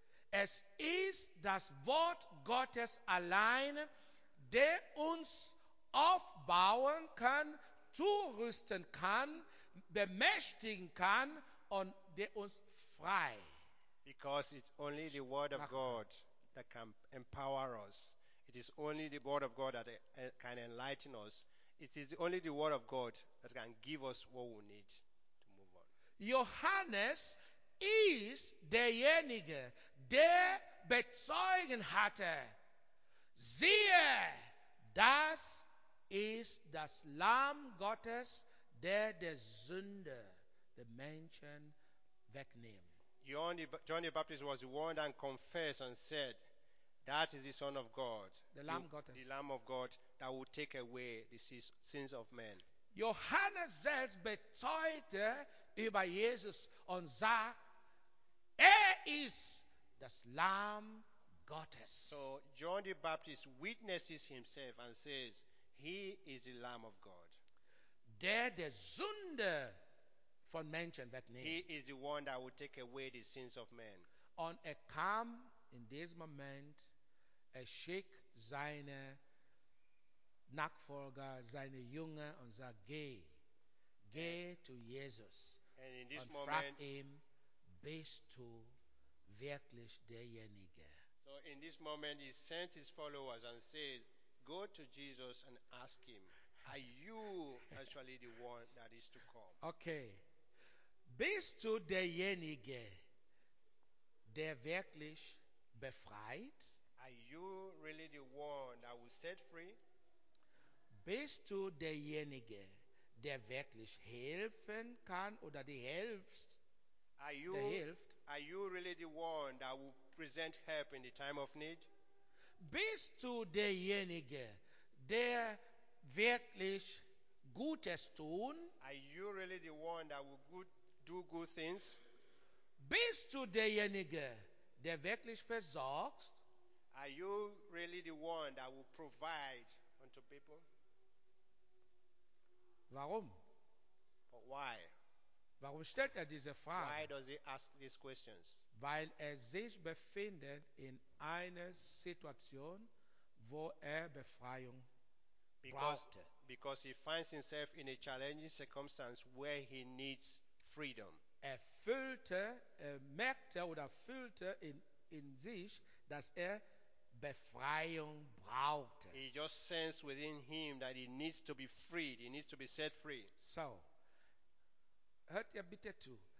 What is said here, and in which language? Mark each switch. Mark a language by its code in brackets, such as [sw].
[de] Es ist das Wort Gottes allein, der uns aufbauen kann, zurüsten kann, bemächtigen kann und der uns frei. [en] Because it's only the word of God that can empower us. It is only the word of God that can enlighten us. It is only the word of God that can give us what we need to move on. [de] Johannes ist derjenige, der bezeugen hatte, siehe, das ist das Lamm Gottes, der Sünde, der Menschen wegnimmt. [en] John the Baptist was the one that confessed and said, that is the Son of God, the Lamb of God, that will take away the sins of men. [de] Johannes selbst bezeugte über Jesus und sah, er ist das Lamm Gottes. [en] So John the Baptist witnesses himself and says, he is the Lamb of God. [de] Der Sünde von Menschen wegnimmt. [en] He is the one that will take away the sins of men. [de] Und kam in diesem Moment, schickt seine Nachfolger, seine Jünger und sagt, geh zu Jesus. [en] And in this [de] und [en] moment, [de] frag ihm, bist du wirklich derjenige? [en] So in this moment he sent his followers and said, go to Jesus and ask him, Are you actually the one that is to come? [de] Okay. Bist du derjenige, der wirklich befreit? [en] Are you really the one that will set free? [de] Bist du derjenige, der wirklich helfen kann oder die hilft? [en] Are you really the one that will present help in the time of need? [de] Bist du derjenige, der wirklich Gutes tun? [en] Are you really the one that will do good things? [de] Bist du derjenige, der wirklich versorgst? [en] Are you really the one that will provide unto people? [de] Warum? [en] But why? [de] Warum stellt er diese Frage? [en] Why does he ask these questions? [de] Weil er sich befindet in einer Situation, wo er Befreiung braucht. [en] Because he finds himself in a challenging circumstance where he needs freedom. [de] Er fühlte, er merkte oder fühlte in sich, dass er Befreiung braucht. [en] He just sensed within him that he needs to be freed, he needs to be set free. [de] So, hört ihr bitte zu.